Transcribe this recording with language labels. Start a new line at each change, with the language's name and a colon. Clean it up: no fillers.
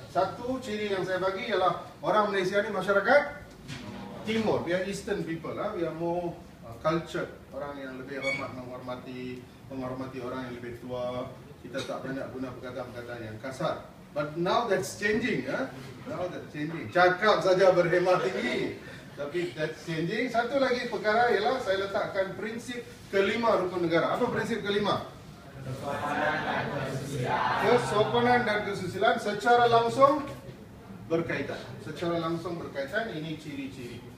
Malay: Satu ciri yang saya bagi ialah orang Malaysia ni masyarakat timur.
English: We are eastern people lah. We are more cultured.
Malay: Orang yang lebih hormat menghormati, menghormati orang yang lebih tua. Kita tak banyak guna perkataan-perkataan yang kasar.
English: But now that's changing, Now that's changing.
Malay: Cakap saja berhemat tinggi, tapi
English: that's changing.
Malay: Satu lagi perkara ialah saya letakkan prinsip kelima rukun negara. Apa prinsip kelima? Kesopanan dan kesusilaan secara langsung berkaitan. Secara langsung berkaitan, ini ciri-ciri.